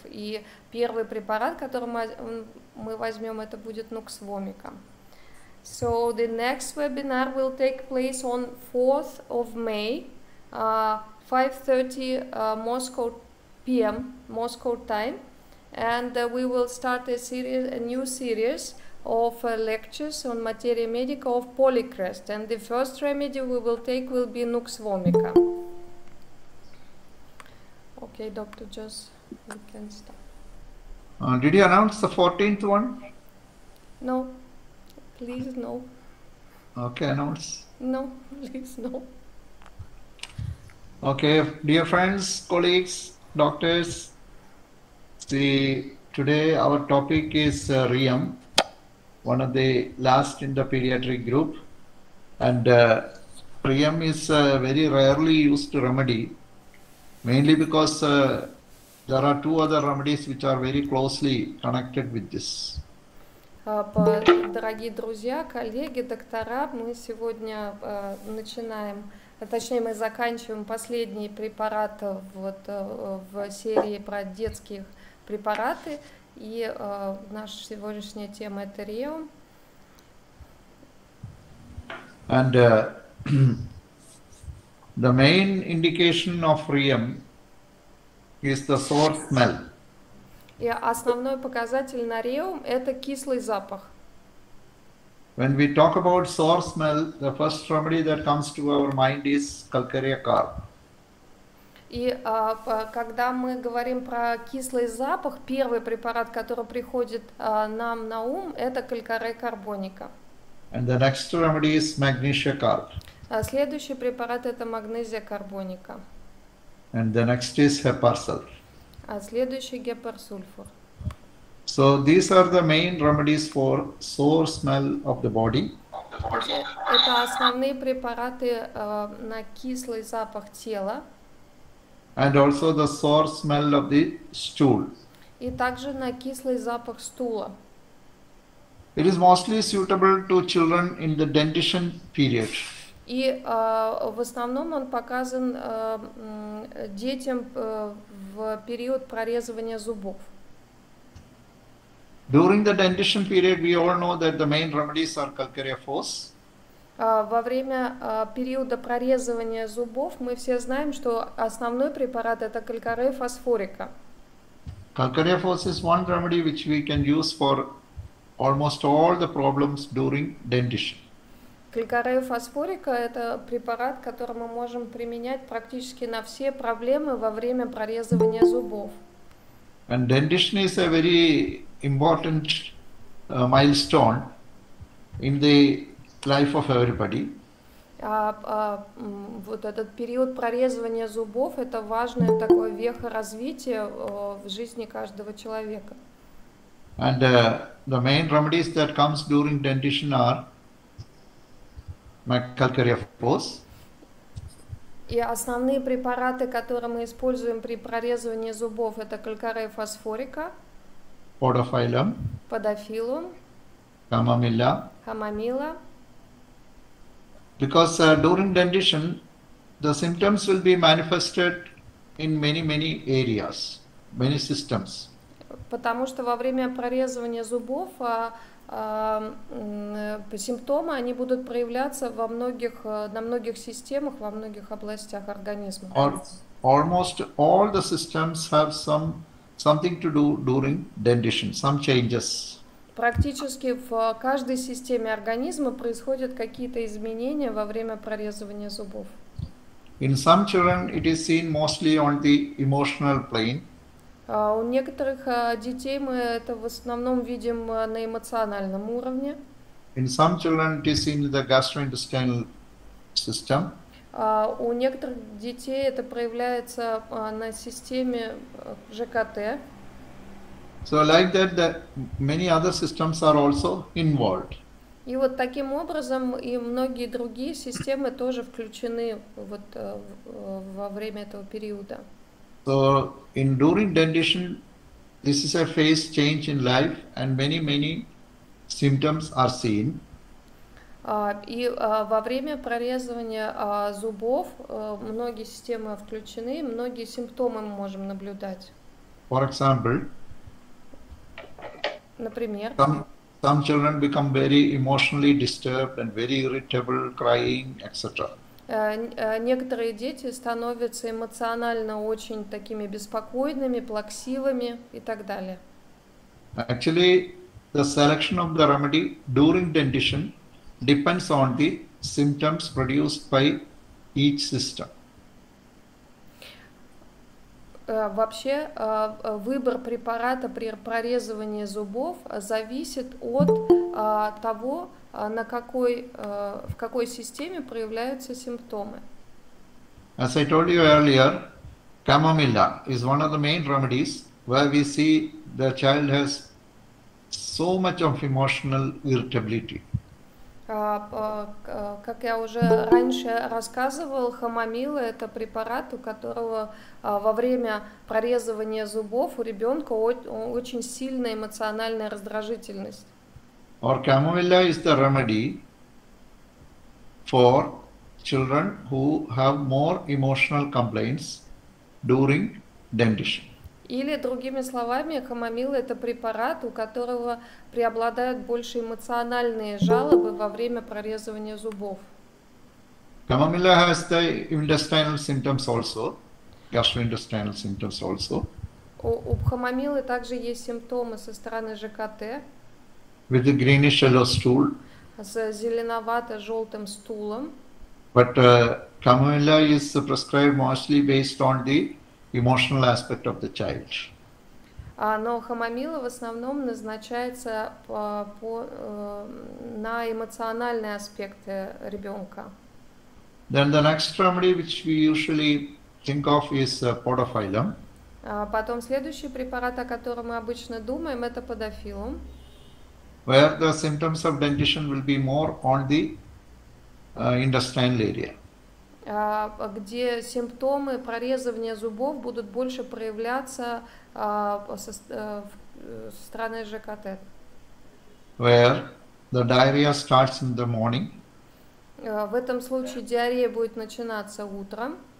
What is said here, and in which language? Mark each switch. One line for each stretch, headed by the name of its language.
Russian: И первый препарат, который мы возьмем, это будет нуксвомика.
English: So the next webinar will take place on 4th of May, 5:30 Moscow PM, Moscow time, and we will start a new series of lectures on materia medica of polychrest, and the first remedy we will take will be nuxvomica. Okay, Dr. Joss, you can start. Did you announce the 14th one? No. Please, no. Okay, announce. No, please, no. Okay, dear friends, colleagues, doctors, see, today our topic is Riom, one of the last in the pediatric group. And Riom is very rarely used remedy, mainly because there are two other remedies which are very closely connected with this.
Russian: Дорогие друзья, коллеги, доктора, мы сегодня начинаем, точнее мы заканчиваем последний препарат вот в серии про детских препараты, и наша сегодняшняя тема это Риом.
English: And the main indication of Riom is the sour smell.
Russian: И основной показатель на Риом – это кислый запах.
English: When we talk about sour smell, the first remedy that comes to our mind is Calcarea Carb.
Russian: И когда мы говорим про кислый запах, первый препарат, который приходит нам на ум – это Calcarea Carbonica.
English: And the next remedy is Magnesia Carb.
Russian: Следующий препарат – это Magnesia Carbonica.
English: And the next is Heparcel.
Russian: А следующий гепарсульфур.
English: So these are the main remedies for sour smell of the body.
Russian: Это основные препараты на кислый запах тела.
English: And also the sour smell of the stool.
Russian: И также на кислый запах стула.
English: It is mostly suitable to children in the dentition period.
Russian: И в основном он показан детям в период прорезывания зубов.
English: During the dentition period, we all know that the main remedies are Calcarea Fos.
Russian: Во время периода прорезывания зубов мы все знаем, что основной препарат это Calcarea Fosforica.
English: Calcarea Fos is one remedy which we can use for almost all the problems during dentition.
Russian: Calcarea Fosforica – это препарат, который мы можем применять практически на все проблемы во время прорезывания зубов.
English: And dentition is a very important milestone in the life of everybody.
Russian: Вот этот период прорезывания зубов – это важное такое веха развития в жизни каждого человека.
English: And the main remedies that comes during dentition are Calcarea Fos.
Russian: И основные препараты, которые мы используем при прорезывании зубов, это Calcarea Fosforica,
English: Podophyllum,
Russian: Podophyllum,
English: Camomilla.
Russian: Camomilla.
English: Because during dentition, the symptoms will be manifested in many, many areas, many systems.
Russian: Потому что во время прорезывания зубов симптомы, они будут проявляться во многих, на многих системах, во многих областях организма.
English: Almost all the systems have something to do during dentition, some changes.
Russian: практически в каждой системе организма происходят какие-то изменения во время прорезывания зубов.
English: In some children it is seen mostly on the emotional plane.
Russian: У некоторых детей мы это в основном видим на эмоциональном уровне.
English: In some children it is seen in the gastrointestinal system.
Russian: У некоторых детей это проявляется на системе ЖКТ.
English: So like that, that many other systems are also involved.
Russian: И вот таким образом и многие другие системы тоже включены вот во время этого периода.
English: So in during dentition, this is a phase change in life, and many symptoms are seen.
Russian: И во время прорезывания зубов многие системы включены, многие симптомы мы можем наблюдать.
English: For example,
Russian: например,
English: some children become very emotionally disturbed and very irritable, crying, etc.
Russian: Некоторые дети становятся эмоционально очень такими беспокойными, плаксивыми и так далее.
English: Actually, the selection of the remedy during dentition depends on the symptoms produced by each system.
Russian: Вообще, выбор препарата при прорезывании зубов зависит от того, на какой, в какой системе проявляются симптомы.
English: As I told you earlier, chamomilla is one of the main remedies where we see the child has so much of emotional irritability.
Russian: Как я уже раньше рассказывал, хамомилла – это препарат, у которого во время прорезывания зубов у ребенка очень сильная эмоциональная раздражительность.
English: Or chamomilla is the remedy for children who have more emotional complaints during dentition.
Russian: Или, другими словами, хамомилла – это препарат, у которого преобладают больше эмоциональные жалобы во время прорезывания зубов.
English: Chamomilla has the intestinal symptoms also, gastrointestinal symptoms also.
Russian: У хамомиллы также есть симптомы со стороны ЖКТ.
English: With the greenish yellow stool.
Russian: С зеленовато-желтым стулом.
English: But chamomilla is prescribed mostly based on the emotional aspect of the child.
Russian: Но хамомилла в основном назначается на эмоциональные аспекты ребенка.
English: Then the next remedy which we usually think of is podophyllum.
Russian: Потом следующий препарат, о котором мы обычно думаем, это подофилум.
English: Where the symptoms of dentition will be more on the intestinal area.
Russian: Где симптомы прорезывания зубов будут больше проявляться со стороны ЖКТ.
English: Where the diarrhea starts in the morning.
Russian: В этом случае диарея будет начинаться утром.